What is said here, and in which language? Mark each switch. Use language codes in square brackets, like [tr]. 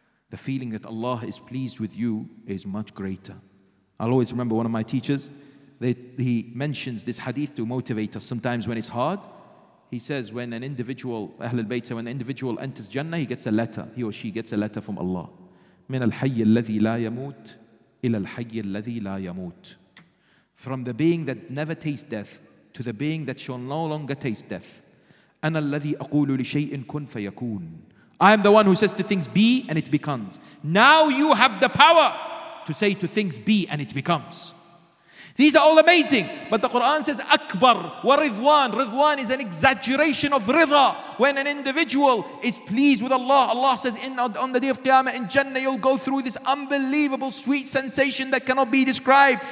[en] The feeling that Allah is pleased with you is much greater. I'll always remember one of my teachers. He mentions this hadith to motivate us sometimes when it's hard. He says when an individual, Ahlul Bayt, when an individual enters Jannah, he gets a letter. He or she gets a letter from Allah. [ar] من الحي الذي لا يموت إلى الحي الذي لا يموت. [en] From the being that never tastes death to the being that shall no longer taste death. [ar] أنا الذي أقول لشيء كن فيكون. [en] I am the one who says to things be and it becomes. Now you have the power to say to things be and it becomes. These are all amazing. But the Quran says, Akbar wa Ridwan. Ridwan is an exaggeration of rida. When an individual is pleased with Allah, Allah says, on the day of Qiyamah in Jannah, you'll go through this unbelievable sweet sensation that cannot be described.